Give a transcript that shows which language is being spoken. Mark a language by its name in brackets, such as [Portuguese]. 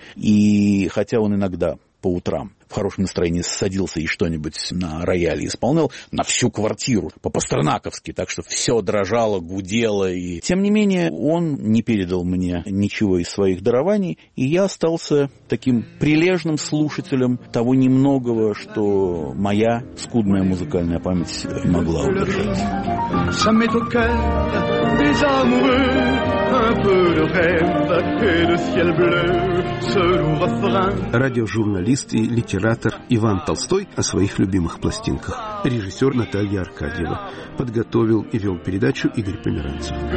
[Russian] И хотя он иногда по утрам в хорошем настроении садился и что-нибудь на рояле исполнял, на всю квартиру, по-пастернаковски, так что все дрожало, гудело. И тем не менее, он не передал мне ничего из своих дарований, и я остался таким прилежным слушателем того немногого, что моя скудная музыкальная память могла удержать. [French] ça met au cœur des amoureux, un peu de rêve et de ciel bleu. [Russian] Радиожурналист и литератор Иван Толстой о своих любимых пластинках. Режиссер Наталья Аркадьева. Подготовил и вел передачу Игорь Померанцев.